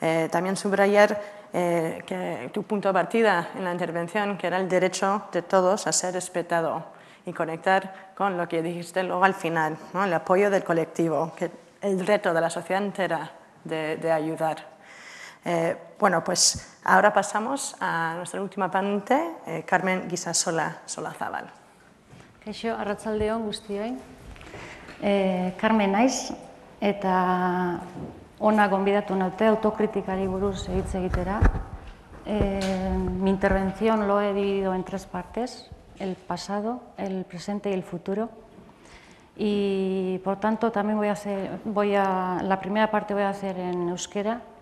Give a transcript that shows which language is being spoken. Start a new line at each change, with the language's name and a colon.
Spanish: También subrayar que tu punto de partida en la intervención, que era el derecho de todos a ser respetado, y conectar con lo que dijiste luego al final, ¿no? El apoyo del colectivo, que el reto de la sociedad entera de ayudar. Bueno, pues ahora pasamos a nuestra última ponente, Carmen Guisasola Solazabal.
Basque: Kaixo, arratsaldeon guztioi. Carmen naiz eta ona gonbidatu naute autokritikari buruz hitz egitera.
Spanish: Mi intervención lo he dividido en tres partes: el pasado, el presente y el futuro. Y por tanto también la primera parte voy a hacer en euskera.